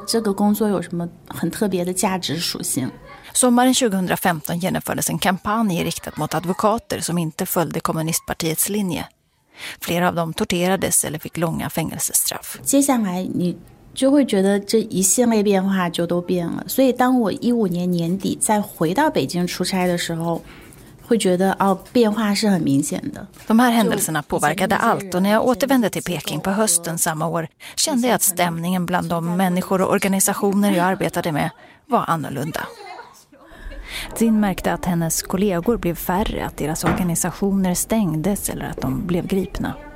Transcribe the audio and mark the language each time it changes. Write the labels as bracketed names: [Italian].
[Chinese] 当时就在北京很正常的，我只是在上班而已，你也不会觉得这个工作有什么很特别的价值属性。 [Swedish] Sommaren 2015 genomfördes en kampanj riktad mot advokater som inte följde kommunistpartiets linje. Flera av dem torterades eller fick långa fängelsestraff. [Chinese] 接下来你就会觉得这一系列变化就都变了，所以当我15年年底再回到北京出差的时候。 [Swedish] De här händelserna påverkade allt och när jag återvände till Peking på hösten samma år kände jag att stämningen bland de människor och organisationer jag arbetade med var annorlunda. Jin märkte att hennes kollegor blev färre, att deras organisationer stängdes eller att de blev gripna.